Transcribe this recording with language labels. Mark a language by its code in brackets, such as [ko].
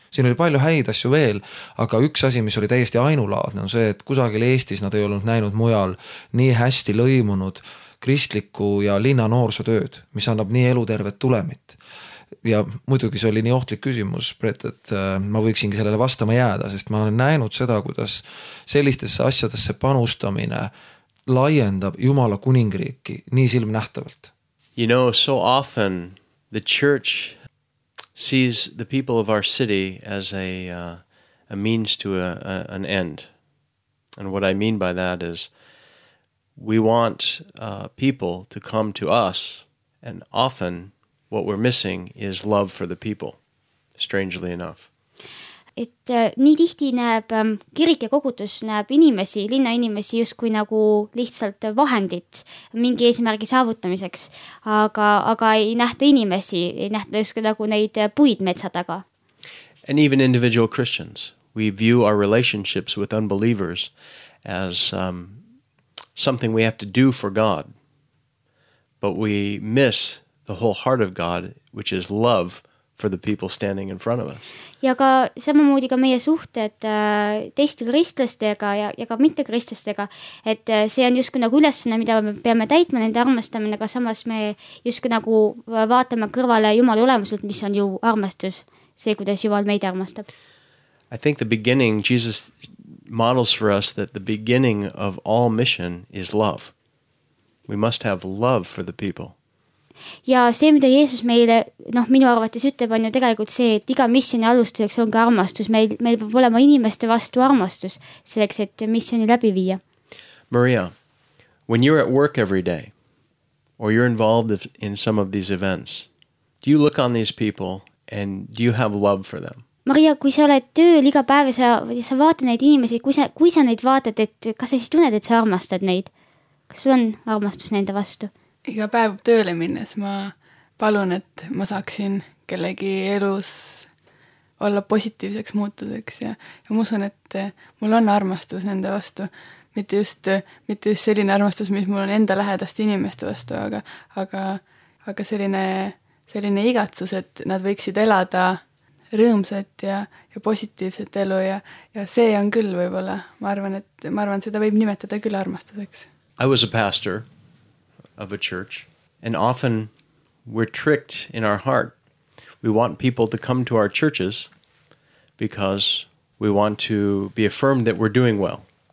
[et] Siin oli palju häid asju veel, aga üks asi, mis oli täiesti ainulaadne, on see, et kusagil Eestis nad ei olnud näinud mujal nii hästi lõimunud kristliku ja linna noorsootööd, mis annab nii elutervet tulemit. Ja muidugi see oli nii ohtlik küsimus, et ma võiksingi sellele vastama jääda, sest ma olen näinud seda, kuidas sellistesse asjadesse panustamine laiendab Jumala kuningriiki nii silm nähtavalt. [en] You know, so often the church sees the people of our city as a means to an end. And what I mean by that is we want people to come to us and often what we're missing is love for the people, strangely enough. [et] Et nii tihti näeb kirik ja kogudus näeb inimesi, linna inimesi just kui nagu lihtsalt vahendit mingi eesmärgi saavutamiseks, aga ei nähta inimesi, ei nähta just kui nagu neid puid metsadaga. [en] And even individual Christians, we view our relationships with unbelievers as something we have to do for God, but we miss the whole heart of God, which is love for the people standing in front of us. [et] Ja ka samamoodi ka meie suhted teiste kristlastega ja ka mitte kristlastega, et see on justkui nagu ülesanne, mida me peame täitma nende armastamine, aga samas me justkui nagu vaatame kõrvale Jumal olemuselt, mis on ju armastus, see kuidas Jumal meid armastab. [en] I think the beginning, Jesus models for us that the beginning of all mission is love. We must have love for the people. [et] Ja see, mida Jeesus meile, noh, minu arvates ütleb, on ju tegelikult see, et iga missioni alustuseks on ka armastus. Meil peab olema inimeste vastu armastus selleks, et missioni läbi viia. [en] Maria, when you're at work every day or you're involved in some of these events, do you look on these people and do you have love for them? [et] Maria, kui sa oled tööl iga päev ja sa vaatad neid inimesi, kui sa neid vaatad, et kas sa siis tunned, et sa armastad neid? Kas sul on armastus nende vastu? Iga päev tööle minnes ma palun, et ma saaksin kellegi elus olla positiivseks muutuseks ja ma usun, et mul on armastus nende vastu. Mitte just selline armastus, mis mul on enda lähedast inimeste vastu, aga selline igatsus, et nad võiksid elada rõõmsat ja positiivset elu ja see on küll võib-olla. Ma arvan, seda võib nimetada küll armastuseks. [en] I was a pastor of a church and often we're tricked in our heart. We want people to come to our churches because we want to be affirmed that we're doing well.